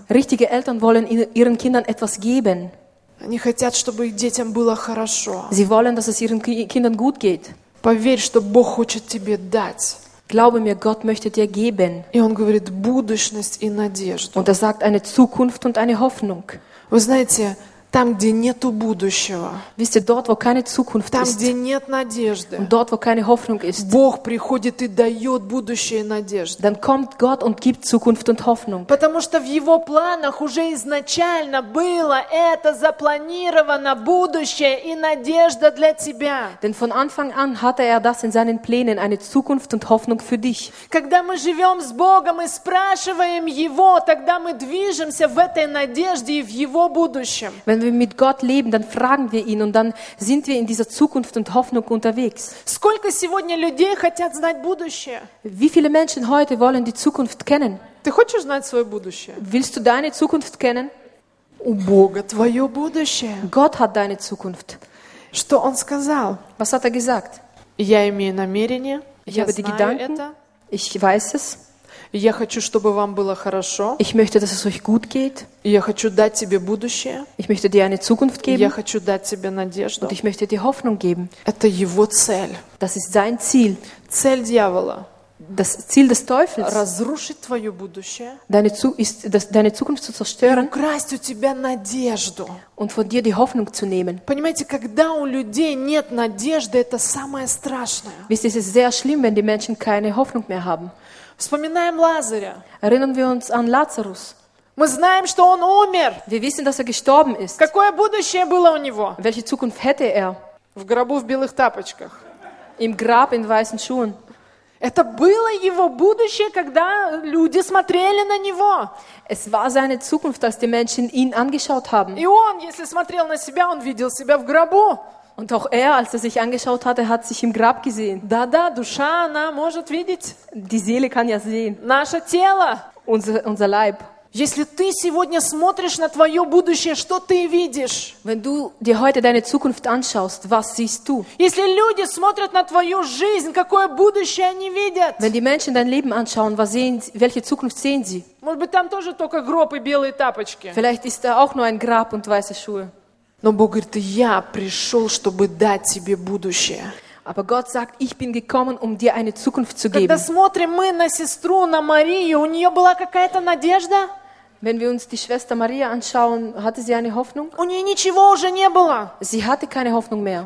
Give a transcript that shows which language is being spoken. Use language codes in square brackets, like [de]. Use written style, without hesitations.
[de] Richtige Eltern wollen ihren Kindern etwas geben. [ru] Они хотят, чтобы их детям было хорошо. [de] Sie wollen, dass es ihren Kindern gut geht. [ru] Поверь, что Бог хочет тебе дать. [de] Glaube mir, Gott möchte dir geben. [ru] И он говорит будущность и надежду. [de] Und sagt eine Zukunft und eine Hoffnung. [ru] Вы знаете, там, где нету будущего. [de] Wisst ihr, dort, wo keine Zukunft [ru] там, [de] ist. [ru] Там, где нет надежды. [de] Und dort, wo keine Hoffnung ist. [ru] Бог приходит и дает будущее и надежду. [de] Dann kommt Gott und gibt Zukunft und Hoffnung. [ru] Потому что в его планах уже изначально было это запланировано будущее и надежда для тебя. [de] Denn von Anfang an hatte er das in seinen Plänen, eine Zukunft und Hoffnung für dich. [ru] Когда мы живем с Богом и спрашиваем его, тогда мы движемся в этой надежде и в его будущем. [de] Wenn wir mit Gott leben, dann fragen wir ihn und dann sind wir in dieser Zukunft und Hoffnung unterwegs. [ru] Сколько сегодня людей хотят знать будущее? [de] Wie viele Menschen heute wollen die Zukunft kennen? [ru] Ты хочешь знать свое будущее? [de] Willst du deine Zukunft kennen? [ru] У Бога твое будущее. [de] Gott hat deine Zukunft. [ru] Что он сказал? [de] Was hat er gesagt? [ru] Я имею намерение. [de] Ich habe die Gedanken. Ich weiß es. [ru] Я хочу, чтобы вам было хорошо. [de] Ich möchte, dass es euch gut geht. [ru] Я хочу дать тебе будущее. [de] Ich möchte dir eine Zukunft geben. [ru] Я хочу дать тебе надежду. [de] Und ich möchte dir Hoffnung geben. [ru] Это его цель. [de] Das ist sein Ziel. [ru] Цель дьявола. [de] Das Ziel des Teufels. [ru] Разрушить твое будущее. [de] Deine Zukunft zu zerstören. [ru] И украсть у тебя надежду. [de] Und von dir die Hoffnung zu nehmen. [ru] Понимаете, когда у людей нет надежды, это самое страшное. [de] Wisst ihr, es ist sehr schlimm, wenn die Menschen keine Hoffnung mehr haben. [ru] Вспоминаем Лазаря. [de] Erinnern wir uns an Lazarus. [ru] Мы знаем, что он умер. [de] Wir wissen, dass er gestorben ist. [ru] Какое будущее было у него? [de] Welche Zukunft hätte er? [ru] В гробу в белых тапочках. [de] Im Grab in weißen Schuhen. [ru] Это было его будущее, когда люди смотрели на него. [de] Es war seine Zukunft, als die Menschen ihn angeschaut haben. [ru] И он, если смотрел на себя, он видел себя в гробу. [de] Und auch er, als er sich angeschaut hatte, hat sich im Grab gesehen. [ru] Да-да, душа, она может видеть. [de] Die Seele kann ja sehen. [ru] Наше тело. [de] Unser Leib. [ru] Если ты сегодня смотришь на твое будущее, что ты видишь? [de] Wenn du dir heute deine Zukunft anschaust, was siehst du? [ru] Если люди смотрят на твою жизнь, какое будущее они видят? [de] Wenn die Menschen dein Leben anschauen, welche Zukunft sehen sie? [ru] Может быть, там тоже только гроб и белые тапочки? [de] Vielleicht ist da auch nur ein Grab und weiße Schuhe. [ru] Но Бог говорит, я пришел, чтобы дать тебе будущее. [de] Aber Gott sagt, ich bin gekommen, dir eine Zukunft zu geben. [ru] Когда смотрим мы на сестру, на Марию, у нее была какая-то надежда? [de] Wenn wir uns die Schwester Maria anschauen, hatte sie eine Hoffnung? [ru] У нее ничего уже не было. [de] Sie hatte keine Hoffnung mehr.